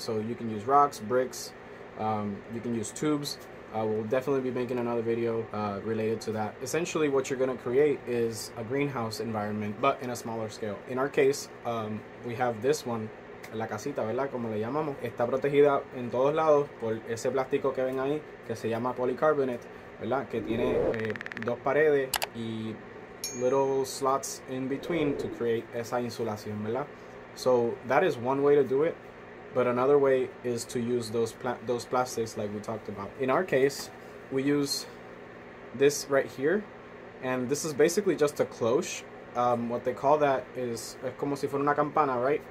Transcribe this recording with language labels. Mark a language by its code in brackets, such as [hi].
[en] So you can use rocks, bricks, you can use tubes. We'll definitely be making another video related to that. Essentially, what you're going to create is a greenhouse environment, but in a smaller scale. In our case, we have this one, [es] la casita, ¿verdad? Como le llamamos. Está protegida en todos lados por ese plástico que ven ahí, que se llama polycarbonate, ¿verdad? Que tiene dos paredes y [en] little slots in between to create [es] esa insulación, ¿verdad? [en] So that is one way to do it. But another way is to use those plastics like we talked about. In our case, we use this right here. And this is basically just a cloche. What they call that is, [es] es como si fuera una campana, [en] right?